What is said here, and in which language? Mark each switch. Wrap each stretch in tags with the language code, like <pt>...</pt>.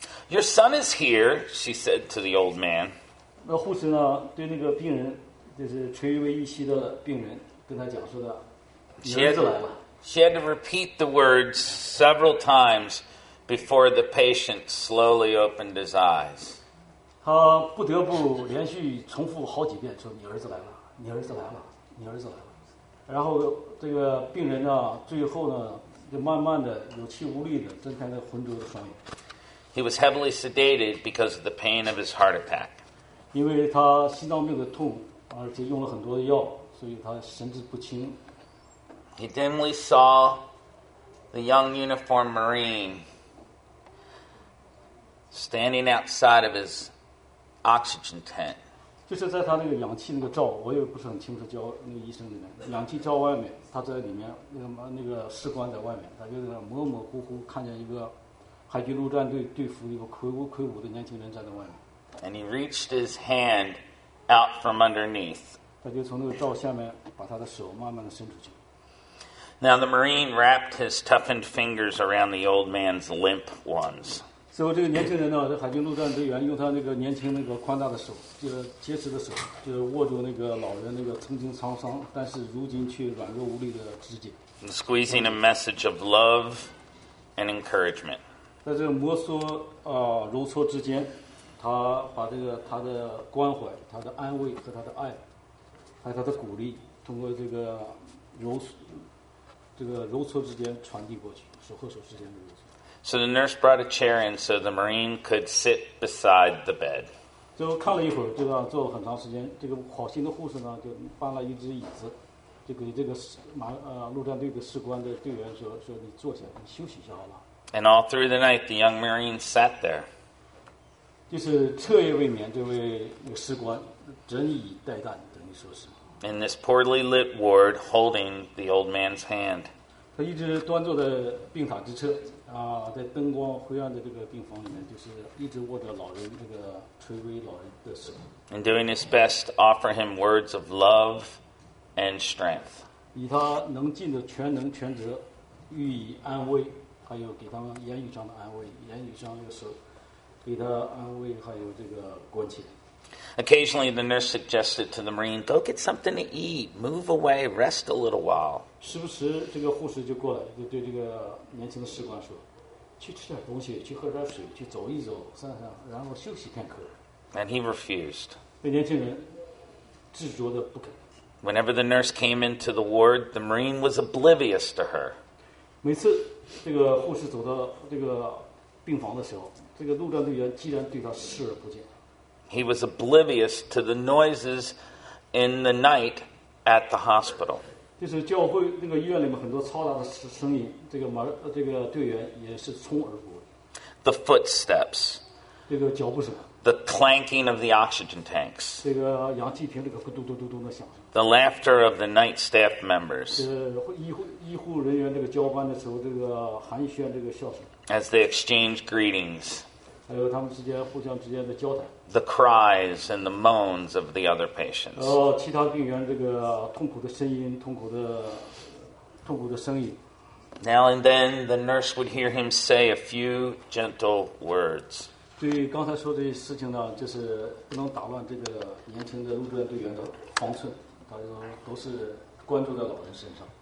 <en>Your son is here, she said to the old man.</en> <zh>那护士呢，对那个病人，就是垂危一息的病人，跟他讲述的，你儿子来了。</zh> <en>She had to repeat the words several times before the patient slowly opened his eyes.</en> <zh>他不得不连续重复好几遍说你儿子来了。你儿子来了，你儿子来了。然后这个病人呢，最后呢，就慢慢的有气无力的睁开那浑浊的双眼。</zh> <en>He was heavily sedated because of the pain of his heart attack.</en> <zh>因为他心脏病的痛，而且用了很多的药，所以他神志不清。</zh> <en>He dimly saw the young uniformed Marine standing outside of his oxygen tent.</en> <zh>就是在他那个氧气那个罩，我也不是很清楚叫那个医生里面氧气罩外面，他在里面那个士官在外面，他就在模模糊糊看见一个海军陆战队队服一个魁梧的年轻人站在外面。</zh> <en>And he reached his hand out from underneath.</en> <zh>他就从那个罩下面把他的手慢慢的伸出去。</zh> <en>Now the Marine wrapped his toughened fingers around the old man's limp ones.</en> <zh>所以这个年轻人呢，这海军陆战队员用他那个年轻那个宽大的手，就是结实的手，就是握住那个老人那个曾经沧桑，但是如今却软弱无力的指节。</zh> <en>Squeezing a message of love and encouragement.</en> <zh>在这个摩挲揉搓之间，他把这个他的关怀、他的安慰和他的爱，还有他的鼓励，通过这个揉搓之间传递过去，手和手之间的揉搓。</zh> <en>So the nurse brought a chair in so the Marine could sit beside the bed.</en> <zh>就看了一会儿，就让坐了很长时间。这个好心的护士呢，就搬了一只椅子，就给这个陆战队的士官的队员说你坐下，你休息一下好吗？</zh> <en>And all through the night, the young Marine sat there.</en> <zh>就是彻夜未眠，这位士官枕以待旦，等于说是。</zh> <en>In this poorly lit ward, holding the old man's hand.</en> <zh>他一直端坐在病榻之侧。在灯光灰暗的这个病房里面，就是一直握着老人这个垂危老人的手。</zh> <en>And doing his best to offer him words of love and strength.</en> <zh>以他能尽的全能全责，予以安慰，还有给他们言语上的安慰，言语上的手，给他安慰，还有这个关切。</zh> <en>Occasionally, the nurse suggested to the Marine, "Go get something to eat. Move away. Rest a little while."</en> <zh>时不时，这个护士就过来，就对这个年轻的士官说，去吃点东西，去喝点水，去走一走，散散，然后休息片刻。</zh> <en>And he refused.</en> <zh>这年轻人执着的不肯。</zh> <en>Whenever the nurse came into the ward, the Marine was oblivious to her.</en> <zh>每次这个护士走到这个病房的时候，这个陆战队员既然对他视而不见。</zh> <en>He was oblivious to the noises in the night at the hospital.</en> <zh>就是教会那个医院里面很多嘈杂的声音，这个队员也是充耳不闻。</zh> <en>The footsteps.</en> <zh>这个脚步声。</zh> <en>The clanking of the oxygen tanks.</en> <zh>这个氧气瓶这个咕嘟嘟嘟嘟的响声。</zh> <en>The laughter of the night staff members.</en> <zh>医护人员这个交班的时候这个寒暄这个笑声。</zh> <en>As they exchange greetings.</en> <zh>还有他们之间互相之间的交谈。</zh> <en>The cries and the moans of the other patients.</en> <zh>其他病员这个痛苦的声音，痛苦的声音。</zh> <en>Now and then, the nurse would hear him say a few gentle words.</en> <zh>对刚才说的事情呢，就是不能打乱这个年轻的陆战队员的方寸，他说都是关注在老人身上。</zh>